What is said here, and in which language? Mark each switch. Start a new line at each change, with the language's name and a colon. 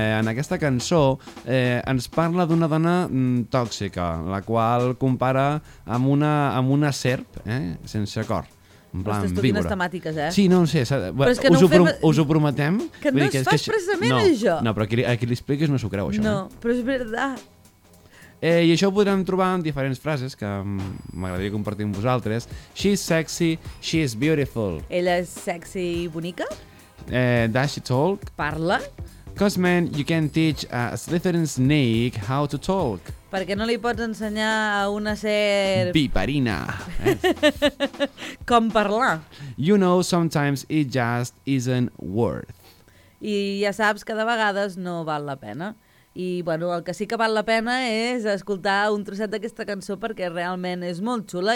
Catalan: En aquesta cançó ens parla d'una dona tòxica, la qual compara amb una serp sense cor. En plan, ostres, tu, víbora. Quines temàtiques, eh? Sí, no ho sé. Però és que us ho prometem? Que no es fa expressament, no, això. No, però a qui li expliques no s'ho creu, això. No, però és veritat. I això ho podrem trobar en diferents frases que m'agradaria compartir amb vosaltres.
English: She's sexy, she's beautiful.
Catalan: Ella és sexy i bonica?
English: Does she talk?
Catalan: Parla.
English: Because, man, you can teach a Slytherin snake how to talk.
Catalan: Perquè no li pots ensenyar a una serp... Piperina. Com parlar.
English: You know, sometimes it just isn't worth.
Catalan: I ja saps que de vegades no val la pena. I, bueno, el que sí que val la pena és escoltar un trosset d'aquesta cançó perquè realment és molt xula.